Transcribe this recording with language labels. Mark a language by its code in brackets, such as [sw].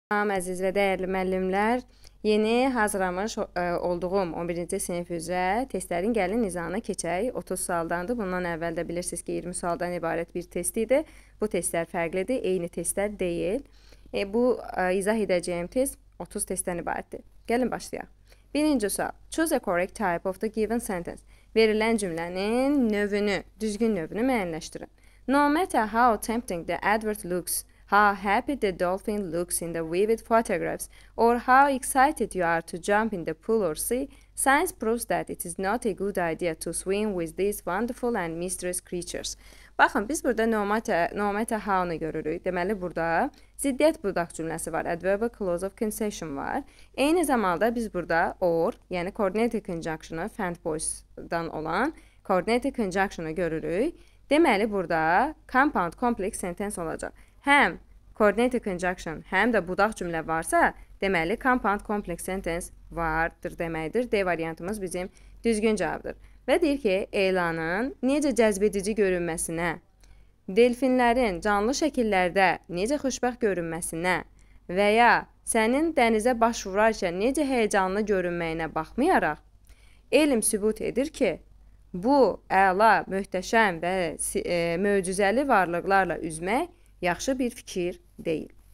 [az] Selam əziz və dəyərli müəllimlər. Yeni hazırlamış olduğum 11-ci sinif üzrə testlərin gəlin nizamına keçək. 30 sualdandır. Bundan əvvəl də bilirsiniz ki, 20 sualdan ibarət bir test idi. Bu testlər fərqlidir, eyni testlər deyil. Bu izah edəcəyim test 30 testdən ibarətdir. Gəlin başlayaq. Birinci sual. [en] Choose a correct type of the given sentence. [az] Verilən cümlənin növünü, düzgün növünü müəyyənləşdirin. [en] No matter how tempting the advert looks, how happy the dolphin looks in the vivid photographs, or how excited you are to jump in the pool or sea, science proves that it is not a good idea to swim with these wonderful and mysterious creatures. [az] Baxın, biz burada [en] no matter how- [az] nı görürük. Deməli, burada ziddiyyət budaq cümləsi var. [en] Adverbial clause of concession [az] var. Eyni zamanda biz burada or, yəni coordinated conjunction-ı, fand voice-dan olan coordinated conjunction-ı görürük. Deməli, burada compound complex sentence olacaq. Həm coordinated conjunction, həm də budaq cümlə varsa, deməli, compound complex sentence vardır deməkdir. D variantımız bizim düzgün cavabdır. Və deyir ki, elanın necə cəzbedici görünməsinə, delfinlərin canlı şəkillərdə necə xoşbəxt görünməsinə və ya sənin dənizə baş vurarkən necə həyəcanlı görünməyinə baxmayaraq, elm sübut edir ki, bu əla, möhtəşəm və möcüzəli varlıqlarla üzmək yaxşı bir fikir deyil.